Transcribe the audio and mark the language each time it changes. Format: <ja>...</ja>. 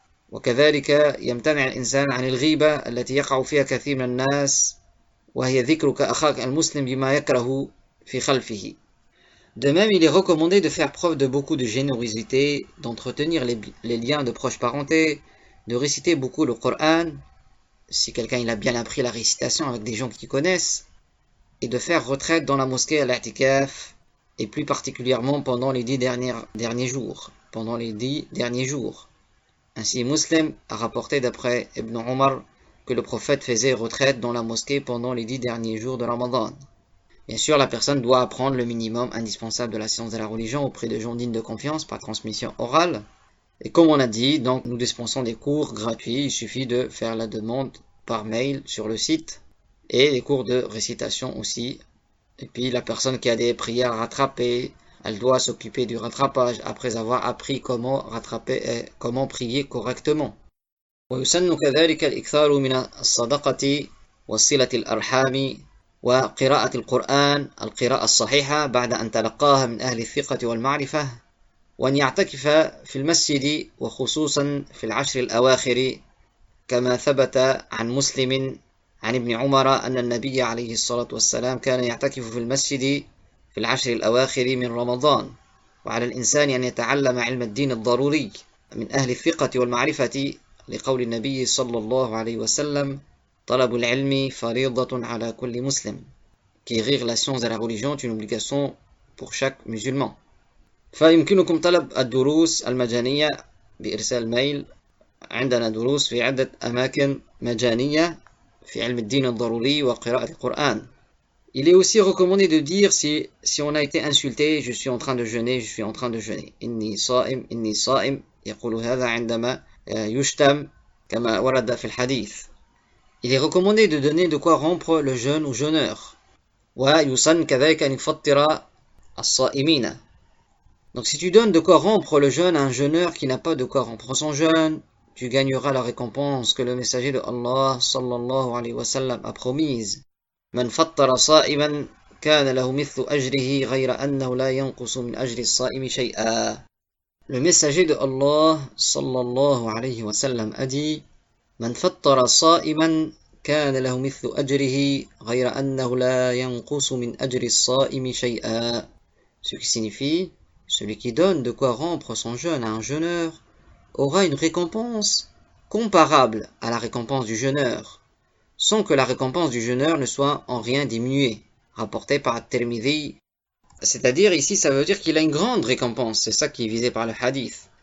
<ar>وكذلك يمتنع الإنسان عن الغيبة التي يقع فيها كثير من الناس وهي ذكرك أخاك المسلم بما يكره في خلفه.</ar> <fr>De même, il est recommandé de faire preuve de beaucoup de générosité, d'entretenir les liens de proche parenté, de réciter beaucoup le Coran, si quelqu'un il a bien appris la récitation avec des gens qui connaissent, et de faire retraite dans la mosquée à l'i'tikaf, et plus particulièrement pendant les 10 derniers jours. Pendant les 10 derniers jours. Ainsi, Muslim a rapporté d'après Ibn Omar que le prophète faisait retraite dans la mosquée pendant les 10 derniers jours de Ramadan. Bien sûr, la personne doit apprendre le minimum indispensable de la science de la religion auprès de gens dignes de confiance par transmission orale. Et comme on a dit, donc nous dispensons des cours gratuits, il suffit de faire la demande par mail sur le site. Et les cours de récitation aussi. Et puis la personne qui a des prières rattrapées, elle doit s'occuper du rattrapage après avoir appris comment rattraper et comment prier correctement.</fr> <ar>ويسن كذلك الإكثار من الصدقة وصلة الأرحام وقراءة القرآن القراءة الصحيحة بعد أن تلقاها من أهل الثقة والمعرفة وأن يعتكف في المسجد وخصوصا في العشر الأواخر كما ثبت عن مسلم عن ابن عمر أن النبي عليه الصلاة والسلام كان يعتكف في المسجد في العشر الأواخر من رمضان وعلى الإنسان أن يتعلم علم الدين الضروري من أهل الثقة والمعرفة لقول النبي صلى الله عليه وسلم طلب العلم فريضة على كل مسلم كيغير</ar> <fr>la science de la religion est une obligation pour chaque musulman.</fr> <ar>فيمكنكم طلب الدروس المجانية بإرسال ميل. عندنا دروس في عدة أماكن مجانية في علم الدين الضروري وقراءة القرآن.</ar> <fr>Il est aussi recommandé de dire si on a été insulté, je suis en train de jeûner, je suis en train de jeûner.</fr> <ar>إني صائم إني صائم يقول هذا عندما يشتم كما ورد في الحديث.</ar> <fr>Il est recommandé de donner de quoi rompre le jeûne au jeûneur.</fr> <ar>ويسن كذلك أن يفطر الصائمين.</ar> <fr>Donc si tu donnes de quoi rompre le jeûne à un jeûneur qui n'a pas de quoi rompre son jeûne, tu gagneras la récompense que le messager de Allah sallallahu alayhi wa sallam a promise.</fr> <ar>من فطر صائما كان له مثل أجره غير أنه لا ينقص من أجر الصائم شيئا.</ar> <fr>Le messager de Allah sallallahu alayhi wa sallam a dit</fr> <ar>من فطر صائما كان له مثل أجره غير أنه لا ينقص من أجر الصائم شيئا.</ar> <fr>Ce qui signifie celui qui donne de quoi rompre son jeûne à un jeûneur aura une récompense comparable à la récompense du jeûneur, sans que la récompense du jeûneur ne soit en rien diminuée, rapporté par At-Tirmidhi. C'est-à-dire ici, ça veut dire qu'il a une grande récompense, c'est ça qui est visé par le hadith.</fr>